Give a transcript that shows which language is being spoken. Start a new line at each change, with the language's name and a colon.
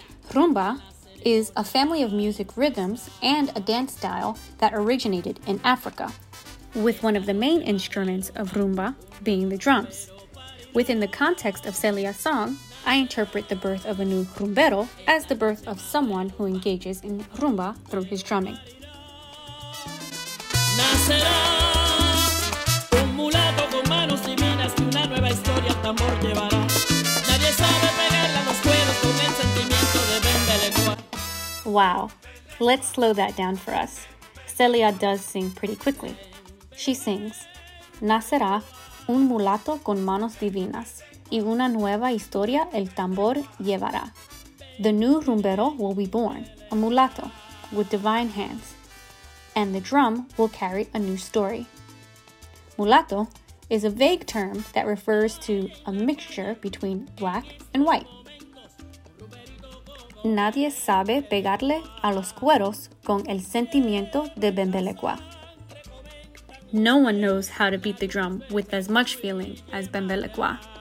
English: Rumba is a family of music rhythms and a dance style that originated in Africa, with one of the main instruments of rumba being the drums. Within the context of Celia's song, I interpret the birth of a new rumbero as the birth of someone who engages in rumba through his drumming.
Spanish: Nacerá un mulato con manos divinas y una nueva historia el tambor llevará. Nadie sabe pegarla a los cueros con el sentimiento de Bembe Lenoir.
English: Wow, let's slow that down for us. Celia does sing pretty quickly. She sings,
Spanish: Nacerá un mulato con manos divinas y una nueva historia el tambor llevará.
English: The new rumbero will be born, a mulato, with divine hands, and the drum will carry a new story. Mulato is a vague term that refers to a mixture between black and white.
Spanish: Nadie sabe pegarle a los cueros con el sentimiento de Bembelecua.
English: No one knows how to beat the drum with as much feeling as Bembelecua.